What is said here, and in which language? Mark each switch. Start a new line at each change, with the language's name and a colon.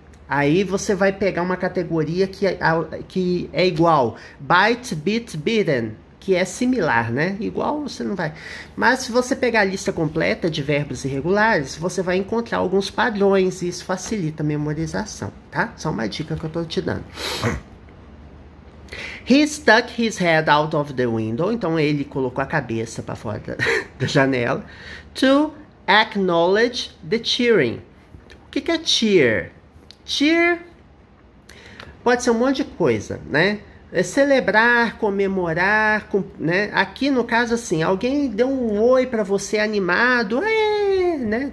Portuguese: Aí você vai pegar uma categoria que é igual. Bite, bit, bitten. Que é similar, né? Igual você não vai. Mas se você pegar a lista completa de verbos irregulares, você vai encontrar alguns padrões e isso facilita a memorização, tá? Só uma dica que eu tô te dando.
English: He stuck his head out of the window.
Portuguese: Então ele colocou a cabeça para fora da janela.
English: To acknowledge the cheering.
Portuguese: O que é cheer? Cheer pode ser um monte de coisa, né? É celebrar, comemorar, né? Aqui no caso, assim, alguém deu um oi para você animado, né?